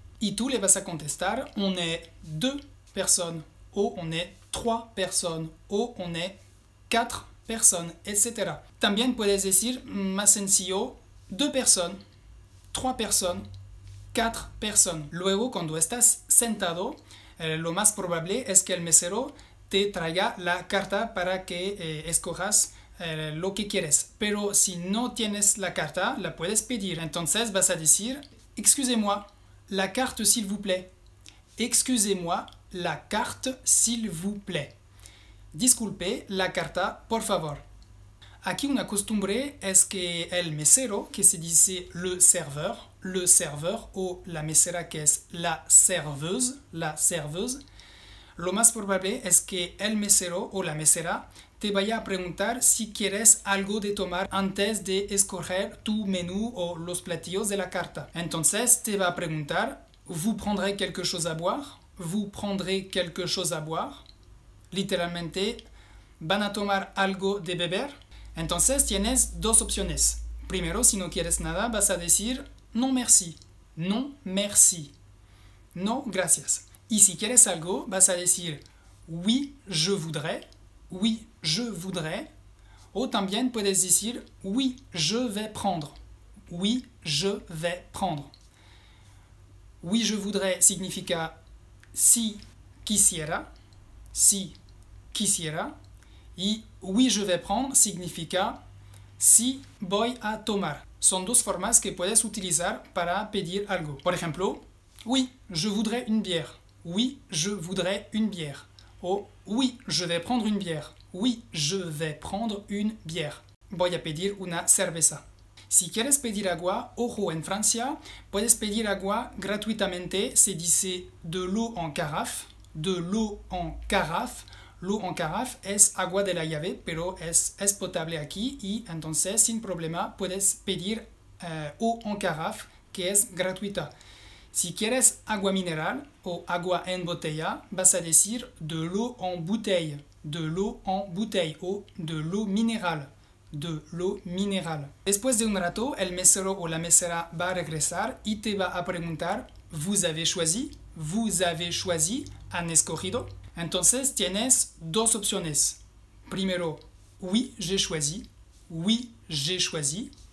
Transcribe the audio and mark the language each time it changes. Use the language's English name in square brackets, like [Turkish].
[Spanish] Y tú le vas a contestar, [French] on est deux personnes, o on est trois personnes, o on est quatre personnes, etc. [Spanish] También puedes decir, más sencillo, [French] deux personnes, trois personnes, quatre personnes. [Spanish] Luego, cuando estás sentado, lo más probable es que el mesero te traiga la carta para que escojas lo que quieres. Pero si no tienes la carta, la puedes pedir. Entonces vas a decir, [French] excusez-moi, la carte s'il vous plaît. Excusez-moi, la carte s'il vous plaît. [Spanish] Disculpe, la carta, por favor. Aquí una costumbre es que el mesero, que se dice le serveur o la mesera que es la serveuse, lo más probable es que el mesero o la mesera te vaya a preguntar si quieres algo de tomar antes de escoger tu menú o los platillos de la carta. Entonces te va a preguntar, [French] ¿vous prendrez quelque chose à boire? ¿Vous prendrez quelque chose à boire? Literalmente, [Spanish] ¿van a tomar algo de beber? Entonces tienes dos opciones. Primero, si no quieres nada, vas a decir no merci. No merci. No gracias. Y si quieres algo, vas a decir [French] oui, je voudrais. Oui, je voudrais. [Spanish] O también puedes decir [French] oui, je vais prendre. Oui, je vais prendre. Oui, je voudrais [Spanish] significa si quisiera. Si quisiera. [French] Y oui, je vais prendre [Spanish] significa si voy a tomar. Son dos formas que puedes utilizar para pedir algo. Por ejemplo, [French] oui, je voudrais une bière. Oui, je voudrais une bière. O oui, je vais prendre une bière. Oui, je vais prendre une bière. [Spanish] Voy a pedir una cerveza. Si quieres pedir agua, ojo, en Francia, puedes pedir agua gratuitamente. Se dice [French] de l'eau en carafe. De l'eau en carafe. [Spanish] L'eau en carafe es agua de la llave, pero es potable aquí y entonces, sin problema, puedes pedir eau en carafe, que es gratuita. [French] Si quieres agua mineral o agua en botella, vas a decir de l'eau en bouteille, de l'eau en bouteille o de l'eau minérale, de l'eau minérale. [Spanish] Después de un rato, el mesero o la mesera va a regresar y te va a preguntar, ¿vous avez choisi? [French] ¿Vous avez choisi? [Spanish] ¿Han escogido? Entonces tienes dos opciones. Primero, [French] oui, j'ai choisi. Oui, j'ai choisi.